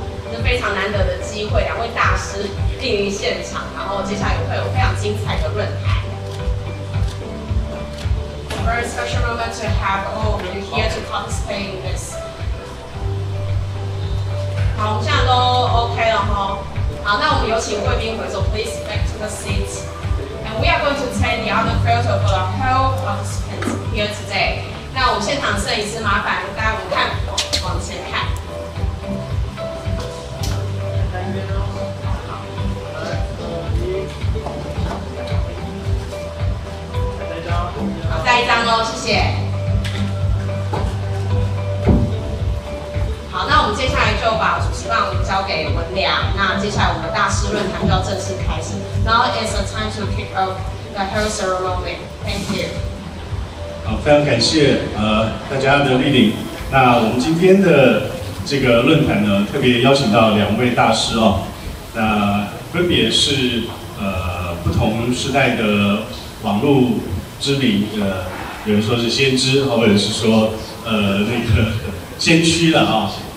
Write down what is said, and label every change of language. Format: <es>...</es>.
<zh>是非常难得的机会，两位大师莅临现场，然后接下来会有非常精彩的论坛。</zh> <en>Very special moment to have all of you here to participate in this.</en> <zh>好，我们现在都 OK 了哈。好，那我们有请贵宾回座 ，</zh> <en>please back to the seat. And we are going to take the other photo for the whole participants here today.</en> <zh>那我们现场摄影师麻烦大家看往前看。好，再一张哦，谢谢。好，那我们接下来就把主持棒交给文良。那接下来我们的大师论坛就要正式开始。</zh> <en>Now is the time to kick off the whole ceremony. Thank you.</en> <zh>好，非常感谢大家的莅临。那我们今天的这个论坛呢，特别邀请到两位大师哦，那分别是不同时代的网络知名的，有人说是先知，或者是说那个先驱了啊。</zh>